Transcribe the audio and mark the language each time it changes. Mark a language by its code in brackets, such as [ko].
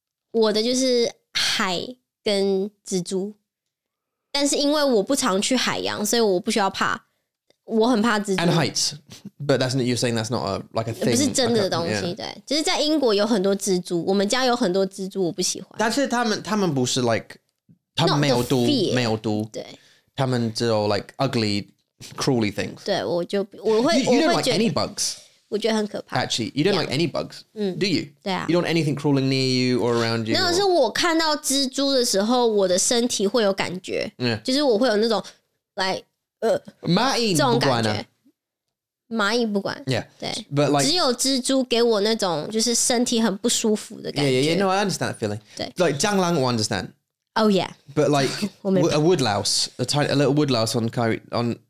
[zh] 我的就是海跟蜘蛛，但是因为我不常去海洋，所以我不需要怕。我很怕蜘蛛。 [en] And heights, but that's not, you're saying that's not a like a thing. [zh] 不是真的东西， [en] like a, yeah. [zh] 对，就是在英国有很多蜘蛛，我们家有很多蜘蛛，我不喜欢。但是他们不是 like 他们没有毒， [en] not the fear, [zh] 没有毒，对，他们只有 [en] like ugly, cruelly things. [zh] 对，我会 [en] you don't like any bugs. [zh] 我觉得很可怕。 [en] Actually, you don't like any bugs. Do you? [zh] 对啊。 [en] You don't want anything crawling near you or around you. [zh] 没有，是我看到蜘蛛的时候，我的身体会有感觉， [en] yeah. [zh] 就是我会有那种 like. 蚂蚁这种感觉，蚂蚁不管 [en] ，Yeah， [zh] 对 [en] ，But like [zh] 只有蜘蛛给我那种就是身体很不舒服的感觉。 [en] Yeah, no, I understand that feeling. [zh] 对 [en] ，Like 蟑螂 ，I understand. Oh yeah. But like a woodlouse, a little woodlouse on Kyrie on.